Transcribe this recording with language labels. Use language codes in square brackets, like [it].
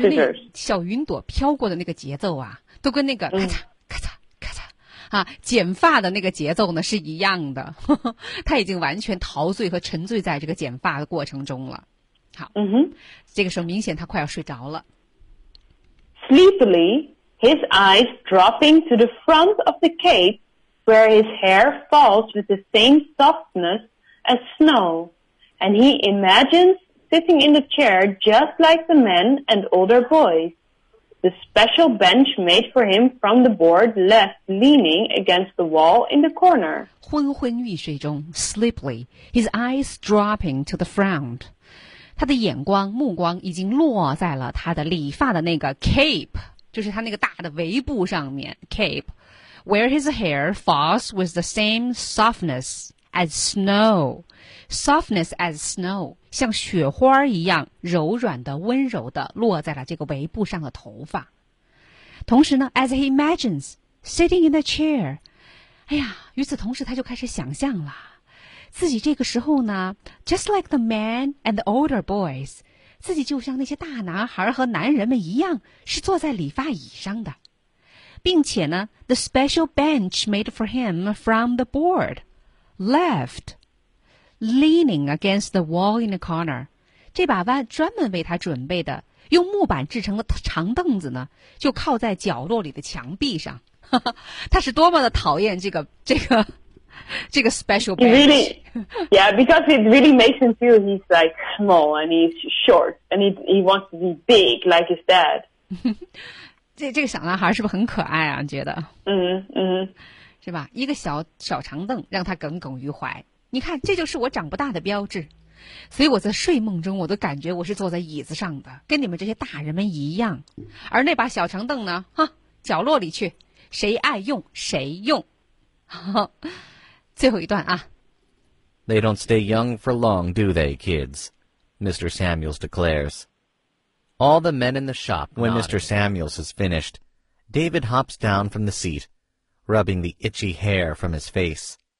[zh] 它就那小云朵飘过的那个节奏啊，都跟那个咔嚓咔嚓咔嚓啊，剪发的那个节奏呢是一样的。它已经完全陶醉和沉醉在这个剪发的过程中了。好，这个时候明显它快要睡着了。 [en] Sleepily, his eyes dropping to the front of the cape, where his hair falls with the same softness as snow, and he imagines sitting in the chair just like the men and older boys, the special bench made for him from the board left leaning against the wall in the corner. [zh] 昏昏欲睡中 [en] sleepily, his eyes dropping to the front. [zh] 他的眼光目光已经落在了他的理发的那个 cape, 就是他那个大的围布上面 cape, [en] where his hair falls with the same softness as snow, [zh] softness as snow, 像雪花一样柔软的温柔的落在了这个围布上的头发。同时呢 [en] as he imagines, sitting in the chair, [zh] 哎呀与此同时他就开始想象了。自己这个时候呢 [en] just like the men and the older boys, [zh] 自己就像那些大男孩和男人们一样是坐在理发椅上的。并且呢 [en] the special bench made for him from the board, left, leaning against the wall in the corner, [zh] 这把弯专门为他准备的用木板制成的长凳子呢就靠在角落里的墙壁上。他是多么的讨厌这个 special bench. [en] Really, yeah, because it really makes him feel he's like small and he's short and he wants to be big like his dad. [zh] 这个小男孩是不是很可爱啊？觉得，是吧？一个小长凳让他耿耿于怀。你看，这就是我长不大的标志。所以我在睡梦中，我都感觉我是坐在椅子上的，跟你们这些大人们一样。而那把小长凳呢？哈，角落里去，谁爱用谁用。最后一段啊。 [en] They don't stay young for long, do they, kids? Mr. Samuels declares. All the men in the shop nod. When Mr. Samuels has finished, David hops down from the seat, rubbing the itchy hair from his face.